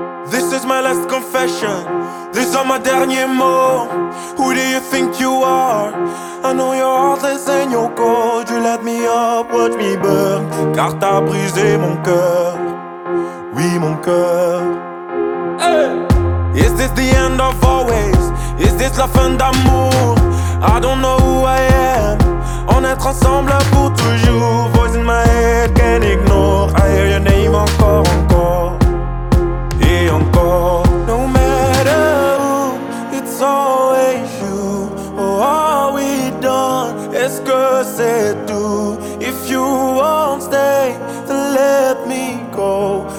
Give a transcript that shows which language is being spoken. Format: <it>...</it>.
<en>This is my last confession, this is my</en> <fr>dernier mot.</fr> <en>Who do you think you are? I know you're heartless and you're cold. You light me up, watch me burn.</en> <fr>Car t'as brisé mon cœur, oui mon cœur. Hey!</fr> <en>Is this the end of always? Is this</en> <fr>la fin d'amour?</fr> <en>I don't know who I am.</en> <fr>On est ensemble pour toujours.</fr> <en>Voice in my head, can't ignore. I hear your name</en> <fr>encore, encore. Encore.</fr> <en>No matter who, it's always you. Oh, are we done?</en> <fr>Est-ce que c'est tout?</fr> <en>If you won't stay, then let me go.</en>